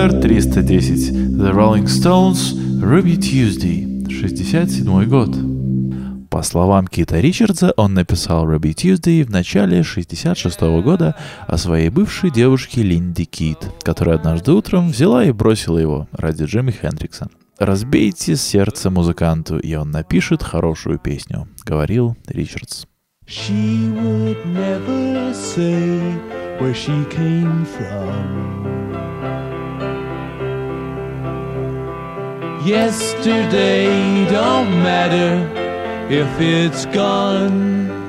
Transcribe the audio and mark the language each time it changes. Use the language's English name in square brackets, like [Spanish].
[Russian] The Rolling Stones, Ruby Tuesday, 67-й год. По словам Кита Ричардса, он написал Ruby Tuesday в начале 66-го года о своей бывшей девушке Линде Кит, которая однажды утром взяла и бросила его ради Джимми Хендрикса. «Разбейте сердце музыканту, и он напишет хорошую песню», — говорил Ричардс. [English] She would never say where she came from. Yesterday don't matter if it's gone.